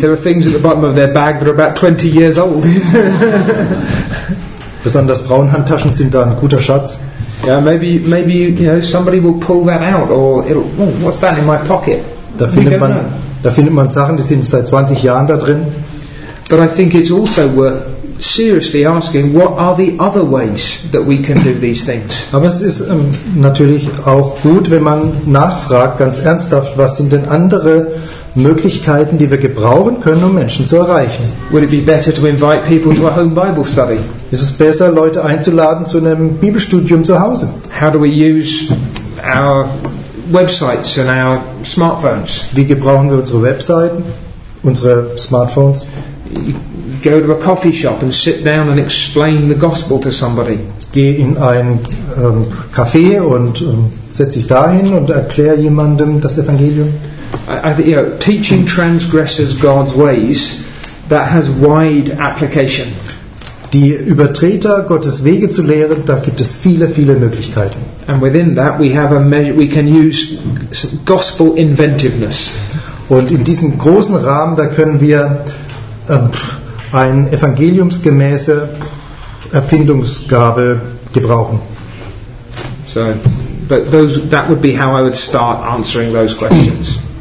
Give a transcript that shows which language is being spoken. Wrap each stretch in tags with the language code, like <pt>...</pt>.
<en>There are things at the bottom of their bag that are about 20 years old.</en> <de>Besonders Frauenhandtaschen sind da ein guter Schatz.</de> <en>Yeah, maybe you know somebody will pull that out or it'll, oh, what's that in my pocket?</en> <de>Da findet man Sachen, die sind seit 20 Jahren da drin.</de> <en>But I think it's also worth seriously asking, what are the other ways that we can do these things?</en> <de>Aber es ist natürlich auch gut, wenn man nachfragt, ganz ernsthaft, was sind denn andere Möglichkeiten, die wir gebrauchen können, um Menschen zu erreichen?</de> <en>Would it be better to invite people to a home Bible study?</en> <de>Ist es besser, Leute einzuladen zu einem Bibelstudium zu Hause?</de> <en>How do we use our websites and our smartphones?</en> <de>Wie gebrauchen wir unsere Webseiten, unsere Smartphones?</de> <en>Go to a coffee shop and sit down and explain the gospel to somebody.</en> <de>Geh in ein Café und setz dich dahin und erklär jemandem das Evangelium.</de> <en>Teaching transgressors God's ways, that has wide application.</en> <de>Die Übertreter Gottes Wege zu lehren, da gibt es viele, viele Möglichkeiten.</de> <en>And within that we have a measure, we can use gospel inventiveness.</en> <de>Und in diesem großen Rahmen, da können wir eine evangeliumsgemäße Erfindungsgabe gebrauchen.</de> <en>So, but those, that would be how I would start answering those questions.</en>